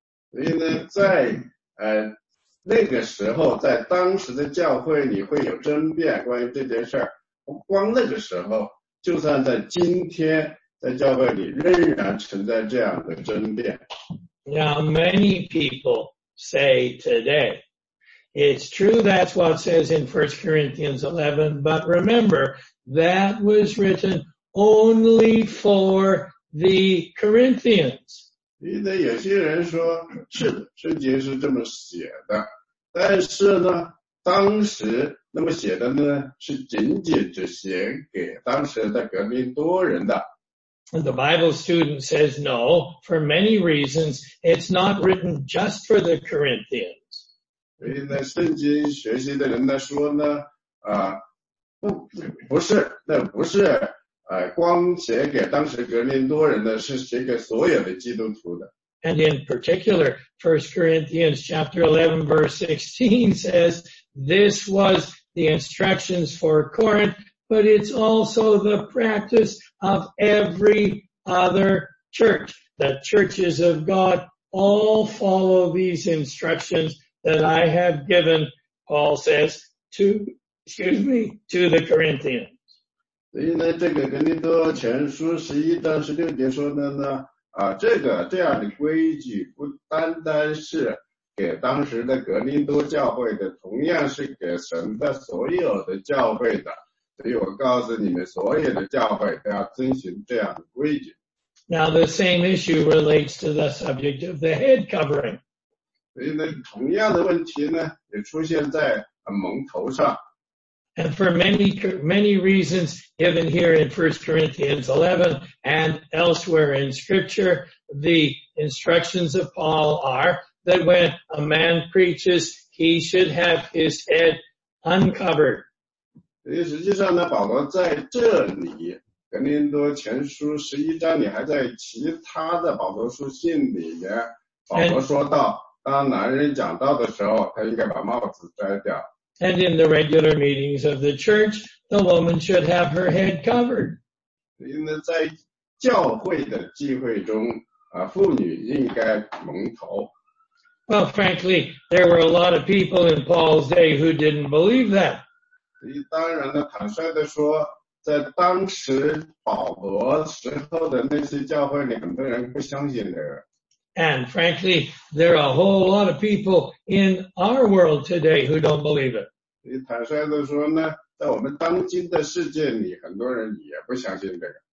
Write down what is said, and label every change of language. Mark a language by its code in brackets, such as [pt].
[zh] 所以呢，在那个时候在当时的教会里会有争辩关于这件事儿，不光那个时候，就算在今天在教会里仍然存在这样的争辩。 [en] Now many people say today, it's true that's what says in 1 Corinthians 11, but remember, that was written only for the Corinthians. [zh] 因为有些人说是的，圣经是这么写的，但是呢，当时那么写的呢，是仅仅只写给当时的格林多人的。 [en] The Bible student says no, for many reasons, it's not written just for the Corinthians. [zh] 所以呢，圣经学习的人呢说呢，啊，不是，那不是。光写给当时格林多人的，是写给所有的基督徒的。 [en] And in particular, 1 Corinthians chapter 11 verse 16 says, this was the instructions for Corinth, but it's also the practice of every other church. The churches of God all follow these instructions that I have given, Paul says, to the Corinthians. [zh] 所以呢，这个格林多前书十一章十六节说的呢，啊，这样的规矩不单单是给当时的格林多教会的，同样是给神的所有的教会的。所以我告诉你们，所有的教会都要遵循这样的规矩。 [en] Now the same issue relates to the subject of the head covering. [zh] 所以呢，同样的问题呢，也出现在蒙头上。 [en] And for many, many reasons given here in 1 Corinthians 11 and elsewhere in scripture, the instructions of Paul are that when a man preaches, he should have his head uncovered. [zh] 实际上呢，保罗在这里，格林多前书十一章里，还在其他的保罗书信里面，保罗说到，当男人讲道的时候，他应该把帽子摘掉。 [en] And in the regular meetings of the church, the woman should have her head covered. [zh] 因为在教会的聚会中，妇女应该蒙头。 [en] Well, frankly, there were a lot of people in Paul's day who didn't believe that. [zh] 当然呢，坦率地说，在当时保罗时候的那些教会里，很多人不相信的。 [en] And frankly, there are a whole lot of people in our world today who don't believe it. [zh] 坦率地说呢，在我们当今的世界里，很多人也不相信这个。